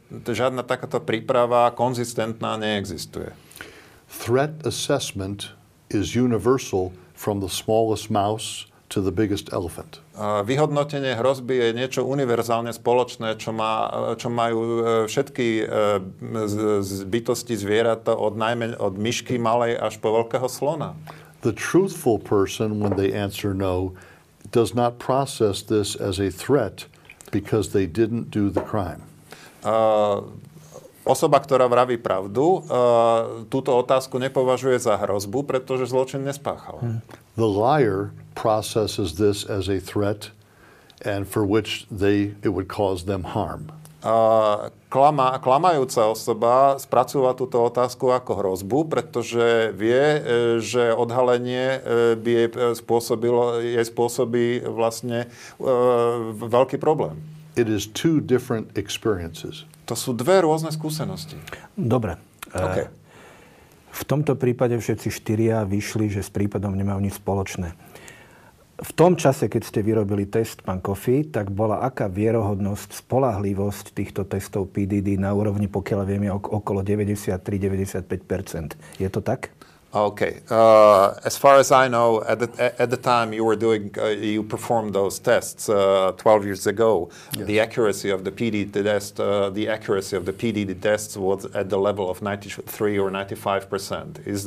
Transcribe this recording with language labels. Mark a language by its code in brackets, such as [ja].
[sk] Žiadna takáto príprava konzistentná neexistuje. [en] Threat assessment is universal from the smallest mouse to the biggest elephant. [sk] Vyhodnotenie hrozby je niečo univerzálne spoločné, čo majú všetky bytosti zvieratá od myšky malej až po veľkého slona. [en] The truthful person, when they answer no, does not process this as a threat because they didn't do the crime. [sk] Osoba, ktorá vraví pravdu, túto otázku nepovažuje za hrozbu, pretože zločin nespáchala. [en] The liar processes this as a threat and for which it would cause them harm. [sk] Klamajúca osoba spracúva túto otázku ako hrozbu, pretože vie, že odhalenie by jej spôsobí vlastne veľký problém. [en] It is two different experiences. [sk] To sú dve rôzne skúsenosti. Dobre. [en] Okay. [sk] V tomto prípade všetci štyria vyšli, že s prípadom nemajú nič spoločné. V tom čase, keď ste vyrobili test, pán Kofi, tak bola aká vierohodnosť, spoľahlivosť týchto testov PDD na úrovni, pokiaľ viem, okolo 93-95%. Je to tak? [en] OK. As far as I know, at the time you were doing, you performed those tests 12 years ago, yes. The accuracy of the PDD test, the accuracy of the PDD tests was at the level of 93 or 95%.